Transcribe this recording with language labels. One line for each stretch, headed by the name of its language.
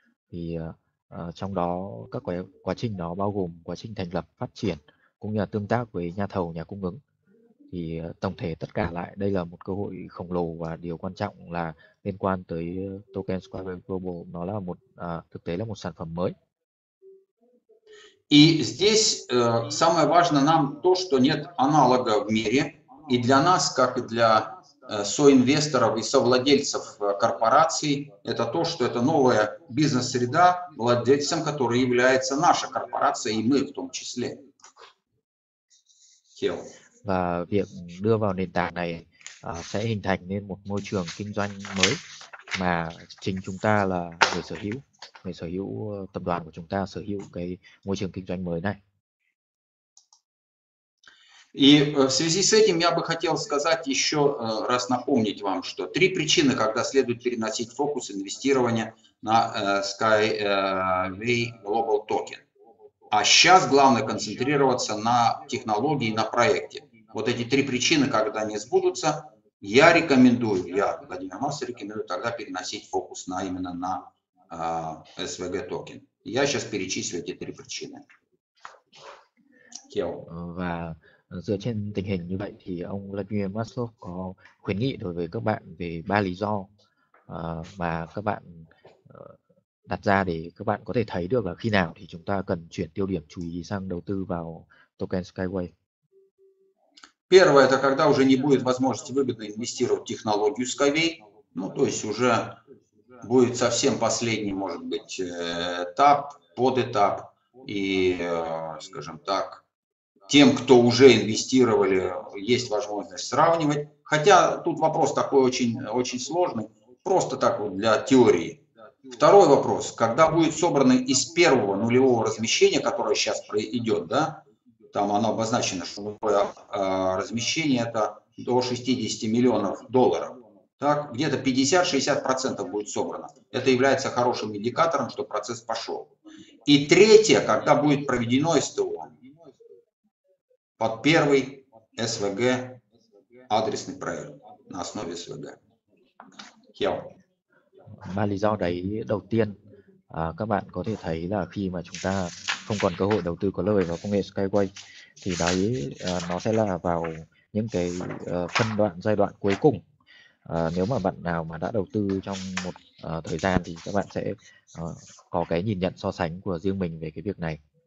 Vietnamese: Thì trong đó các quá trình đó bao gồm quá trình thành lập, phát triển cũng như là tương tác với nhà thầu, nhà cung ứng. Thì tổng thể tất cả lại, đây là một cơ hội khổng lồ, và điều quan trọng là liên quan tới token Square Global, nó là một thực tế là một sản phẩm mới.
Russian: И здесь самое важное нам то, что нет аналога в мире, и для нас, как и для соинвесторов и совладельцев корпораций, это то, что это новая бизнес-среда, владельцем которой является наша корпорация, и мы в том числе. Хел.
Vietnamese: Và việc đưa vào nền tảng này sẽ hình thành nên một môi trường kinh doanh mới mà chính chúng ta là người sở hữu tập đoàn của chúng ta sở hữu cái môi trường kinh doanh mới này.
Russian: И в связи с этим я бы хотел сказать еще раз напомнить вам, что три причины, когда следует переносить фокус инвестирования на Skyway Global Token. А сейчас главное концентрироваться на технологии и на проекте. Вот эти три причины, когда они сбудутся, я рекомендую, я, Владимир Маслов, рекомендую тогда переносить фокус на именно на SVG токен. Я сейчас перечислю эти три причины. Kiều.
Vietnamese: Và dựa trên tình hình như vậy thì ông Vladimir Maslov có khuyến nghị đối với các bạn về ba lý do mà các bạn đặt ra để các bạn có thể thấy được là khi nào thì chúng ta cần chuyển tiêu điểm chú ý sang đầu tư vào token Skyway.
Russian: Первое, это когда уже не будет возможности выгодно инвестировать в технологию Skyway. Ну, то есть уже будет совсем последний, может быть, этап, подэтап. И, скажем так, тем, кто уже инвестировали, есть возможность сравнивать. Хотя тут вопрос такой очень, очень сложный, просто так вот для теории. Второй вопрос, когда будет собрано из первого нулевого размещения, которое сейчас идет, да, там оно обозначено, что размещение это до 60 миллионов долларов. Так, где-то 50-60% будет собрано. Это является хорошим индикатором, что процесс пошел. И третье, когда будет проведено СТО под первый СВГ адресный проект на основе СВГ. Кел.
Vietnamese: Ba lý do đấy, đầu tiên, các bạn có thể thấy là khi mà chúng ta không còn cơ hội đầu tư có lời vào công nghệ Skyway thì đấy nó sẽ là vào những cái phân đoạn giai đoạn cuối cùng. Nếu mà bạn nào mà đã đầu tư trong một thời gian thì các bạn sẽ có cái nhìn nhận so sánh của riêng mình về cái việc này.